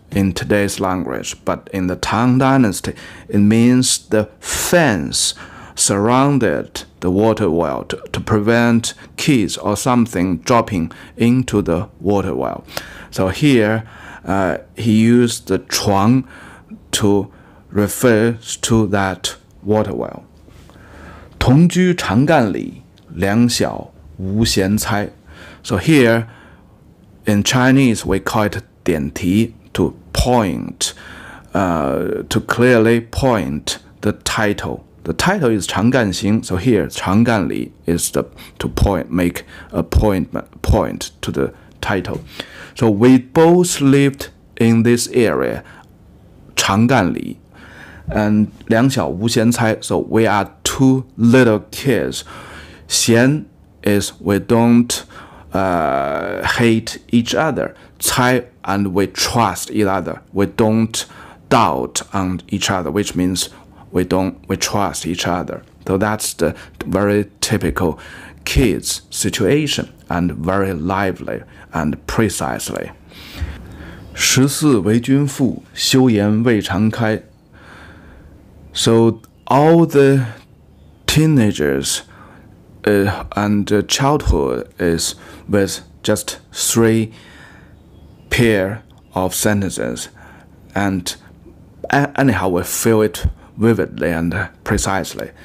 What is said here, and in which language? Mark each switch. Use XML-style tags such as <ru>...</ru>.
<en>In today's language, but in the Tang Dynasty, it means the fence surrounded the water well to prevent kids or something dropping into the water well. So here,、he used the 床 to refer to that water well.</en> <zh>同居长干里，两小无嫌猜。</zh> <en>So here, in Chinese, we call it 点题to point,、to clearly point the title. The title is 长干行, so here 长干里 is the, to point, make a point to the title. So we both lived in this area, 长干里, and</en> <zh>两小无嫌猜,</zh> <en>so we are two little kids. 嫌 is we don't、hate each other. 猜 and we trust each other. We don't doubt on each other, which means we trust each other. So that's the very typical kids situation and very lively and precisely. 十四为君妇，羞颜未尝开。 So all the teenagers、and childhood is with just threepair of sentences, and anyhow we feel it vividly and precisely.</en>